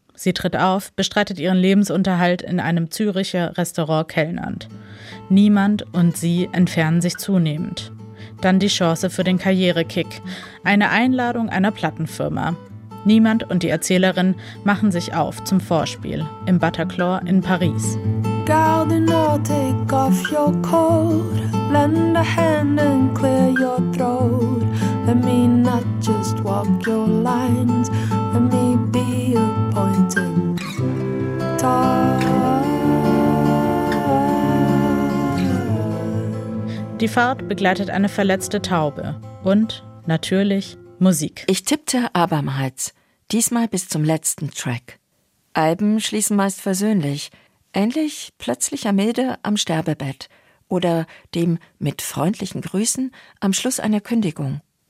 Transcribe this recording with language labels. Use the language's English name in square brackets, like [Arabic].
[German] Sie tritt auf, bestreitet ihren Lebensunterhalt in einem Züricher Restaurant kellnernd. Niemand und sie entfernen sich zunehmend. Dann die Chance für den Karrierekick, eine Einladung einer Plattenfirma. Niemand und die Erzählerin machen sich auf zum Vorspiel im Bataclan in Paris. [English] Gardener, take off your coat, lend a hand and clear your throat. Let me not just walk your lines, let me be a point in time. [German] Die Fahrt begleitet eine verletzte Taube und natürlich Musik. Ich tippte abermals. Diesmal bis zum letzten Track. Alben schließen meist versöhnlich, ähnlich plötzlicher Milde am Sterbebett oder dem mit freundlichen Grüßen am Schluss einer Kündigung.